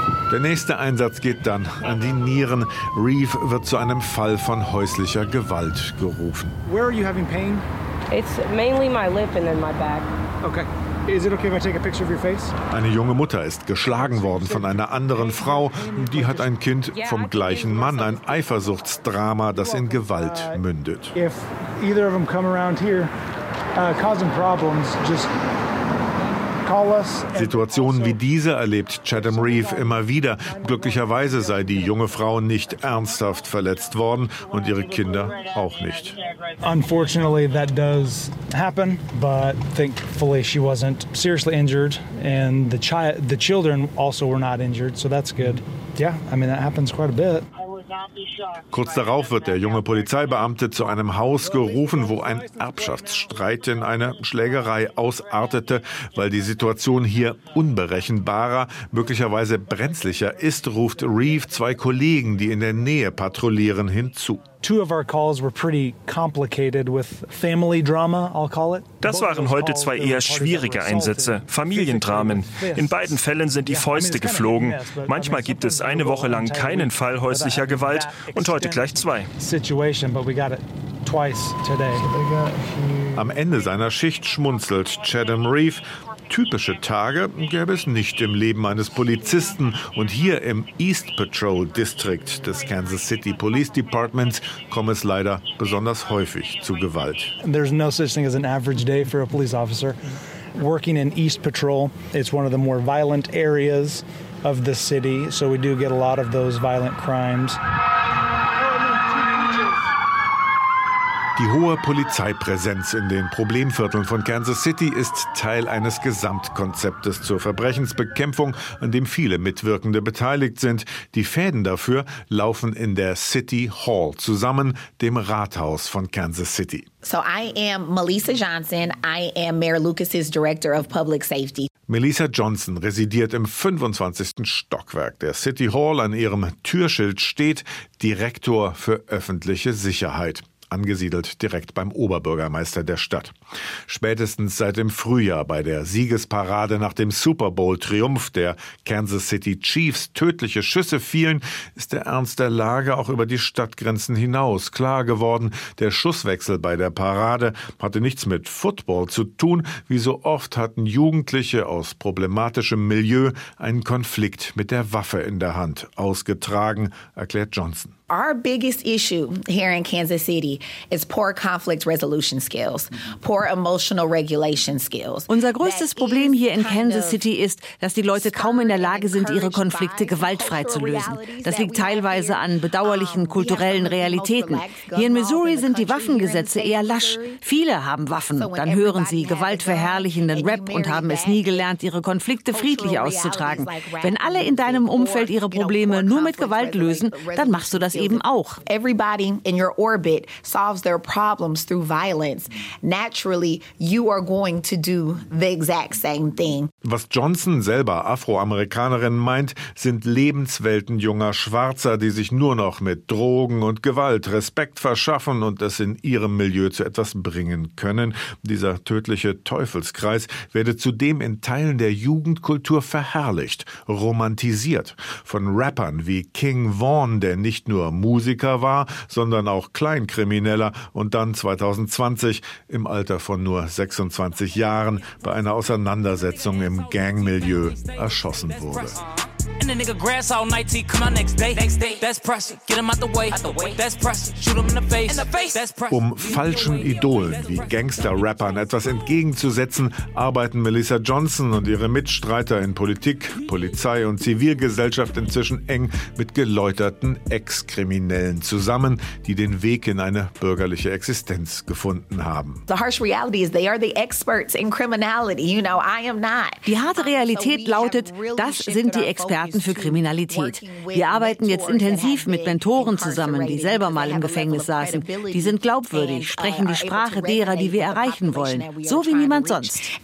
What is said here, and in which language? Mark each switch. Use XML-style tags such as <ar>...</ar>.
<de>Der nächste Einsatz geht dann an die Nieren. Reeve wird zu einem Fall von häuslicher Gewalt gerufen.</de> <en>Where are you having pain? It's mainly my lip and then my back. Okay. Is it okay if I take a picture of your face?</en> <de>Eine junge Mutter ist geschlagen worden von einer anderen Frau. Die hat ein Kind vom gleichen Mann. Ein Eifersuchtsdrama, das in Gewalt mündet.</de> <en>If either of them come around here, causing problems, just call us.</en> <de>Situationen wie diese erlebt Chatham Reeve immer wieder. Glücklicherweise sei die junge Frau nicht ernsthaft verletzt worden und ihre Kinder auch nicht.</de> <en>Unfortunately, that does happen, but thankfully she wasn't seriously injured, and the children also were not injured, so that's good. Yeah, I mean that happens quite a bit.</en> <de>Kurz darauf wird der junge Polizeibeamte zu einem Haus gerufen, wo ein Erbschaftsstreit in eine Schlägerei ausartete. Weil die Situation hier unberechenbarer, möglicherweise brenzlicher ist, ruft Reeve zwei Kollegen, die in der Nähe patrouillieren, hinzu.</de> <en>Two of our calls were pretty complicated with family drama, I'll call it.</en> <de>Das waren heute zwei eher schwierige Einsätze, Familiendramen. In beiden Fällen sind die Fäuste geflogen. Manchmal gibt es eine Woche lang keinen Fall häuslicher Gewalt und heute gleich zwei.</de> <en>Situation, but we got it twice today.</en> <de>Am Ende seiner Schicht schmunzelt Chatham Reeve. Typische Tage gäbe es nicht im Leben eines Polizisten. Und hier im East Patrol District des Kansas City Police Departments komme es leider besonders häufig zu Gewalt.</de> <en>There's no such thing as an average day for a police officer. Working in East Patrol, it's one of the more violent areas of the city, so we do get a lot of those violent crimes.</en> <de>Die hohe Polizeipräsenz in den Problemvierteln von Kansas City ist Teil eines Gesamtkonzeptes zur Verbrechensbekämpfung, an dem viele Mitwirkende beteiligt sind. Die Fäden dafür laufen in der City Hall zusammen, dem Rathaus von Kansas City.</de> <en>So I am Melissa Johnson. I am Mayor Lucas's Director of Public Safety.</en> <de>Melissa Johnson residiert im 25. Stockwerk der City Hall. An ihrem Türschild steht Direktor für öffentliche Sicherheit, angesiedelt direkt beim Oberbürgermeister der Stadt. Spätestens seit dem Frühjahr bei der Siegesparade nach dem Super Bowl-Triumph der Kansas City Chiefs tödliche Schüsse fielen, ist der Ernst der Lage auch über die Stadtgrenzen hinaus klar geworden. Der Schusswechsel bei der Parade hatte nichts mit Football zu tun. Wie so oft hatten Jugendliche aus problematischem Milieu einen Konflikt mit der Waffe in der Hand ausgetragen, erklärt Johnson.</de> <en>Our biggest issue here in Kansas City is poor conflict resolution skills, poor emotional regulation skills.</en> <de>Unser größtes Problem hier in Kansas City ist, dass die Leute kaum in der Lage sind, ihre Konflikte gewaltfrei zu lösen. Das liegt teilweise an bedauerlichen kulturellen Realitäten. Hier in Missouri sind die Waffengesetze eher lasch. Viele haben Waffen, dann hören sie gewaltverherrlichenden Rap und haben es nie gelernt, ihre Konflikte friedlich auszutragen. Wenn alle in deinem Umfeld ihre Probleme nur mit Gewalt lösen, dann machst du das eben auch.</de> <en>Everybody in your orbit solves their problems through violence. Naturally, you are going to do the exact same thing.</en> <de>Was Johnson selber Afroamerikanerin meint, sind Lebenswelten junger Schwarzer, die sich nur noch mit Drogen und Gewalt Respekt verschaffen und es in ihrem Milieu zu etwas bringen können. Dieser tödliche Teufelskreis werde zudem in Teilen der Jugendkultur verherrlicht, romantisiert. Von Rappern wie King Von, der nicht nur Musiker war, sondern auch Kleinkrimineller und dann 2020 im Alter von nur 26 Jahren bei einer Auseinandersetzung im Gangmilieu erschossen wurde.</de> <en>And the nigga grass all night till come out next day. That's pressure. Get him out the way. That's pressure. Shoot him in the face. That's pressure.</en> <de>Um falschen Idolen wie Gangster-Rappern etwas entgegenzusetzen, arbeiten Melissa Johnson und ihre Mitstreiter in Politik, Polizei und Zivilgesellschaft inzwischen eng mit geläuterten Ex-Kriminellen zusammen, die den Weg in eine bürgerliche Existenz gefunden haben.</de> <en>The harsh reality is they are the experts in criminality. You know, I am not.</en> <de>Die harte Realität lautet, das sind die Experten für Kriminalität. Wir arbeiten jetzt intensiv mit Mentoren zusammen, die selber mal im Gefängnis saßen. Die sind glaubwürdig, sprechen die Sprache derer, die wir erreichen wollen, so wie niemand sonst.</de>